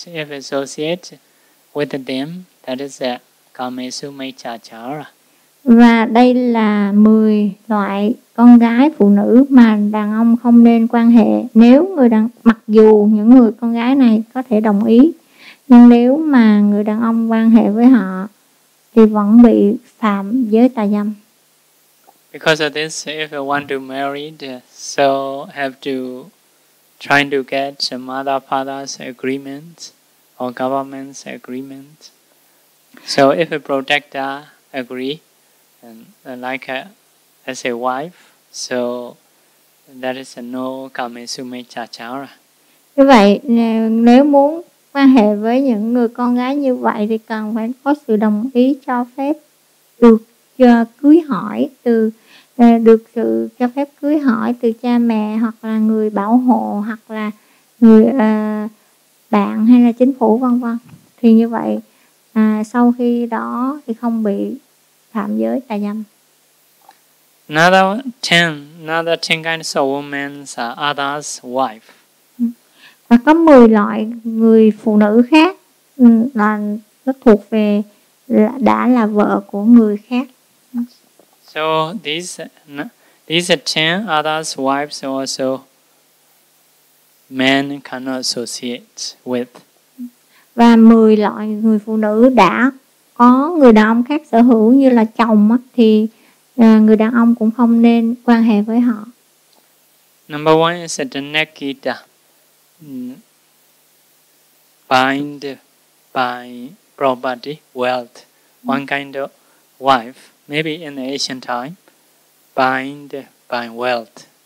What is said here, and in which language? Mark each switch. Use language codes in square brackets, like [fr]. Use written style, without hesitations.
[en] If associate with them, that is a kamesumechachara. [vi] Và đây là 10 loại con gái phụ nữ mà đàn ông không nên quan hệ. Nếu người đàn, mặc dù những người con gái này có thể đồng ý, nhưng nếu mà người đàn ông quan hệ với họ thì vẫn bị phạm giới tà dâm. [en] Because of this, if you want to marry, so have to try to get some mother father's agreement or government's agreement. So if a protector agree, and like as a wife, so that is a no kamesumechachara. [vi] Như vậy, nếu muốn quan hệ với những người con gái như vậy thì cần phải có sự đồng ý cho phép được cưới hỏi từ được sự cho phép cưới hỏi từ cha mẹ hoặc là người bảo hộ hoặc là người bạn hay là chính phủ vân vân. Thì như vậy sau khi đó thì không bị phạm giới tà dâm. [en] Another ten kinds of women are others' wife. [vi] Và có 10 loại người phụ nữ khác là nó thuộc về đã là vợ của người khác. [en] So these 10 others' wives also men cannot associate with. [vi] Và 10 loại người phụ nữ đã có người đàn ông khác sở hữu như là chồng thì người đàn ông cũng không nên quan hệ với họ. [en] Number one is Dhanakita. Bind by property, wealth, one kind of wife, maybe in the ancient time, bind by wealth.